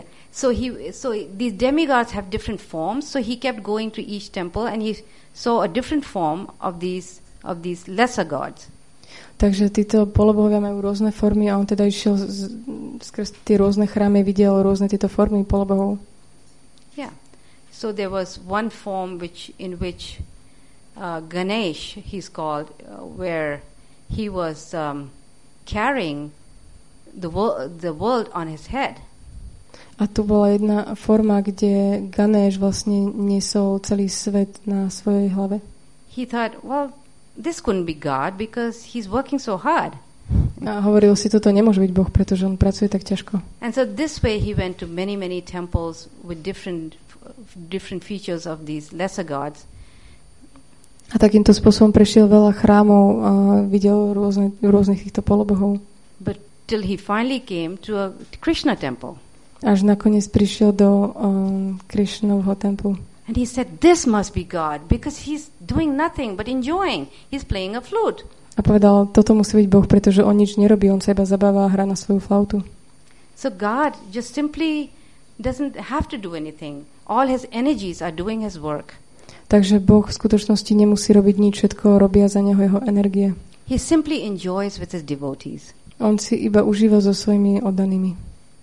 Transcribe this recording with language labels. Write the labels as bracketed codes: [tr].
[en] So these demigods have different forms, so he kept going to each temple and he saw a different form of these lesser gods. [sk] Takže títo polobohovia majú rôzne formy a on teda išiel skrz tie rôzne chrámy, videl rôzne tieto formy polobohov. [en] Yeah. So there was one form in which Ganesh, he's called, where he was carrying the world on his head. [sk] A tu bola jedna forma, kde Ganesh vlastne niesol celý svet na svojej hlave. [en] He thought, well, this couldn't be God because he's working so hard. [sk] A hovoril si, toto nemôže byť Boh, pretože on pracuje tak ťažko. [en] And so this way he went to many, many temples with different features of these lesser gods. [sk] A takýmto spôsobom prešiel veľa chrámov a videl rôznych týchto polobohov. [en] But till he finally came to a Krishna temple. [sk] Až nakoniec prišiel do Krishnovho templu. [en] And he said, this must be God, because he's doing nothing but enjoying. He's playing a flute. [sk] A povedal, toto musí byť Boh, pretože on nič nerobí, on sa iba zabáva a hrá na svoju flautu. [en] So God just simply doesn't have to do anything. All his energies are doing his work. [sk] Takže Boh v skutočnosti nemusí robiť nič, všetko robia za neho jeho energie. [en] He simply enjoys with his devotees. [sk] On si iba užíva so svojimi oddanými.